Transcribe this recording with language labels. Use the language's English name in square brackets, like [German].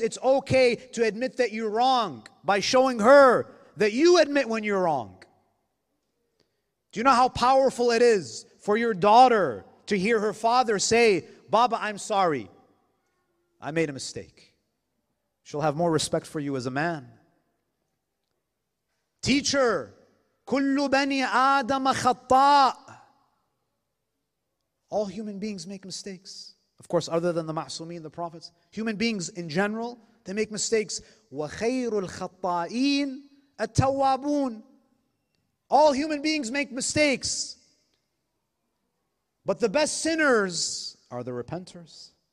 [English] It's okay to admit that you're wrong by showing her that you admit when you're wrong. Do you know how powerful it is for your daughter to hear her father say, Baba, I'm sorry. I made a mistake. She'll have more respect for you as a man. [Arabic] Teacher, كُلُّ بَنِي آدَمَ خَطَّاءَ. [English] All human beings make mistakes. Of course, other than the ma'sumin, the prophets. Human beings in general, they make mistakes. [Arabic] وَخَيْرُ الْخَطَّائِينَ التَّوَّابُونَ. [English] All human beings make mistakes. But the best sinners are the repenters.